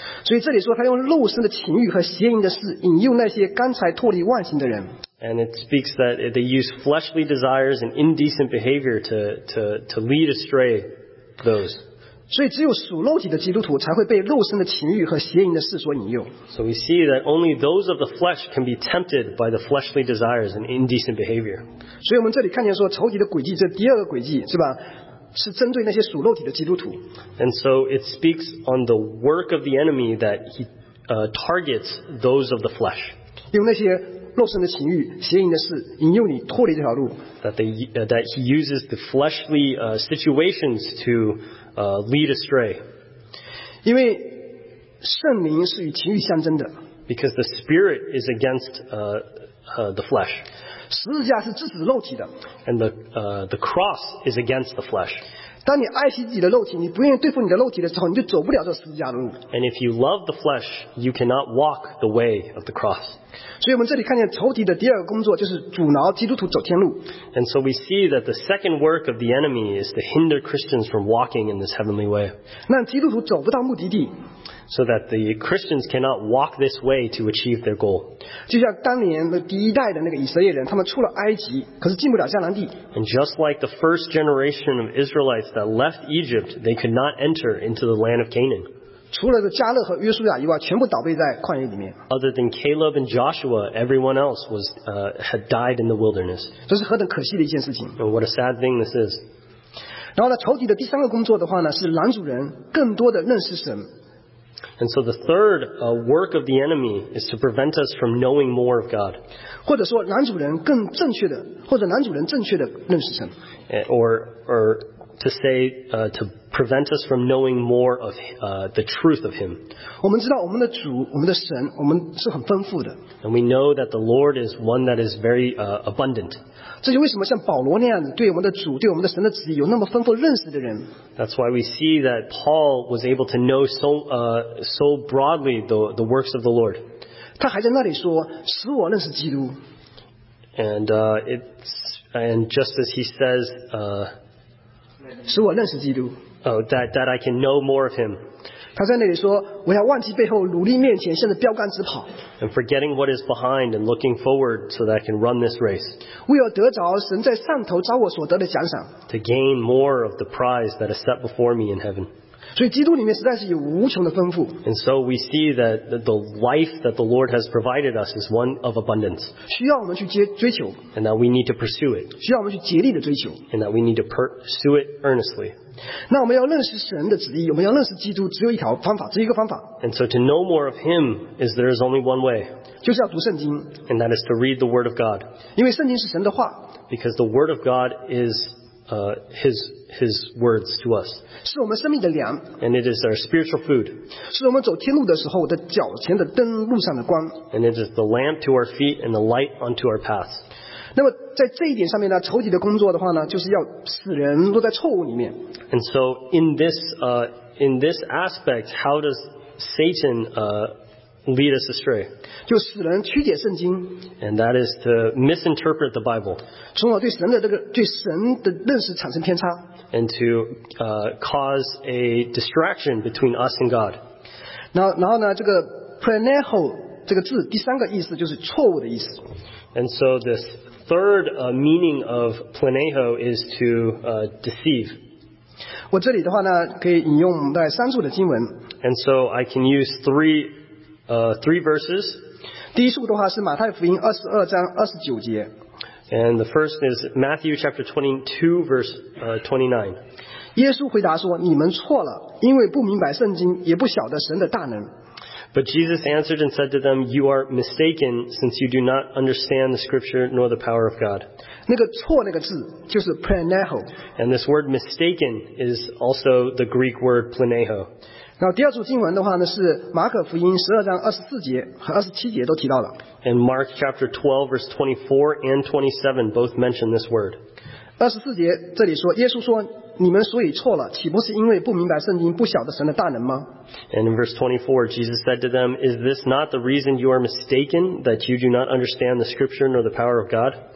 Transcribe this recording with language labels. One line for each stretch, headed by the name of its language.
Chinese: 所以这里说他用肉身的情欲和邪淫的事引诱那些刚才脱离万刑的人。
English: And it speaks that they use fleshly desires and indecent behavior to lead astray those.
Chinese: 所以只有属肉体的基督徒才会被肉身的情欲和邪淫的事所引诱。
English: So we see that only those of the flesh can be tempted by the fleshly desires and indecent behavior.
Chinese: 所以我们这里看见说仇敌的诡计，这第二个诡计是吧？是针对那些属肉体的基督徒。
English: And so it speaks on the work of the enemy that he targets those of the flesh.
Chinese: 用那些肉身的情欲、邪淫的事，引诱你脱离这条路。
English: That he uses the fleshly situations to lead astray.
Chinese: 因为圣灵是与情欲相争的。
English: Because the spirit is against the flesh.
Chinese: 十字架是制止肉体的。
English: And the cross is against the flesh.
Chinese: 当你爱惜自己的肉体，你不愿意对付你的肉体的时候，你就走不了这十字架的路。
English: And if you love the flesh, you cannot walk the way of the cross.
Chinese: 所以我们这里看见仇敌的第二个工作就是阻挠基督徒走天路。
English: And so we see that the second work of the enemy is to hinder Christians from walking in this heavenly way.
Chinese: 让基督徒走不到目的地。
English: So that the Christians cannot walk this way to achieve their goal.
Chinese: 就像当年的第一代的那个以色列人，他们出了埃及，可是进不了迦南地。
English: And just like the first generation of Israelites that left Egypt, they could not enter into the land of Canaan.
Chinese: 除了迦勒和约书亚以外，全部倒闭在旷野里面。
English: Other than Caleb and Joshua, everyone else was had died in the wilderness.
Chinese: 这是何等可惜的一件事情。
English: What a sad thing this is.
Chinese: 然后呢，仇敌的第三个工作的话呢，是拦阻人更多的认识神。
English: And so the third work of the enemy is to prevent us from knowing more of God.
Chinese: 或者说拦阻人更正确的，或者拦阻人正确的认识神。
English: Or to say to prevent us from knowing more of the truth of him.
Chinese: 我们知道我们的主，我们的神，我们是很丰富的。
English: And we know that the Lord is one that is very abundant.
Chinese: 这就为什么像保罗那样对我们的主，对我们的神的旨意有那么丰富认识的人。
English: That's why we see that Paul was able to know so broadly the works of the Lord.
Chinese: 他还在那里说，使我认识基督。
English: And just as he says,
Chinese: 使我认识基督。
English: That I can know more of him.
Chinese: 他在那里说，我要忘记背后，努力面前，向着标杆直跑。
English: And forgetting what is behind and looking forward so that I can run this race.
Chinese: 为了得着神在上头招我所得的奖赏。
English: To gain more of the prize that is set before me in heaven.
Chinese: 所以基督里面实在是有无穷的丰富。
English: And so we see that the life that the Lord has provided us is one of abundance.
Chinese: 需要我们去追求。
English: And that we need to pursue it.
Chinese: 需要我们去竭力的追求。
English: And that we need to pursue it earnestly.
Chinese: 那我们要认识神的旨意，我们要认识基督，只有一条方法，只有一个方法。
English: And so to know more of him is there is only one way.
Chinese: 就是要读圣经。
English: And that is to read the word of God.
Chinese: 因为圣经是神的话。
English: Because the word of God is his words to us.
Chinese: 是我们生命的粮。
English: And it is our spiritual food.
Chinese: 是我们走天路的时候的脚前的灯，路上的光。
English: And it is the lamp to our feet and the light unto our paths.
Chinese: 那么在这一点上面呢，仇敌的工作的话呢，就是要使人落在错误里面。
English: And so in this aspect, how does Satan lead us astray?
Chinese: 就使人曲解圣经。
English: And that is to misinterpret the Bible.
Chinese: 从而对神的这个对神的认识产生偏差。
English: And to cause a distraction between us and God.
Chinese: 然后呢，这个 planeho 这个字第三个意思就是错误的意思。
English: And so this. Third meaning of planeho is to deceive.
Chinese: 我这里的话呢，可以引用在三处的经文。
English: And so I can use three verses.
Chinese: 第一处的话是马太福音二十二章二十九节。
English: And the first is Matthew chapter 22 verse 29.
Chinese: 耶稣回答说：“你们错了，因为不明白圣经，也不晓得神的大能。”
English: But Jesus answered and said to them, "You are mistaken, since you do not understand the Scripture nor the power of God."
Chinese: 那个错那个字就是 planeho.
English: And this word mistaken is also the Greek word planeho.
Chinese: 那第二处经文的话呢，是马可福音十二章二十四节和二十七节都提到了。
English: And Mark chapter 12 verse 24 and 27 both mention this word.
Chinese: 二十四节这里说，耶稣说。你们所以错了，岂不是因为不明白圣经，不晓得神的大能吗？
English: And in verse 24, Jesus said to them, "Is this not the reason you are mistaken, that you do not understand the Scripture nor the power of God?"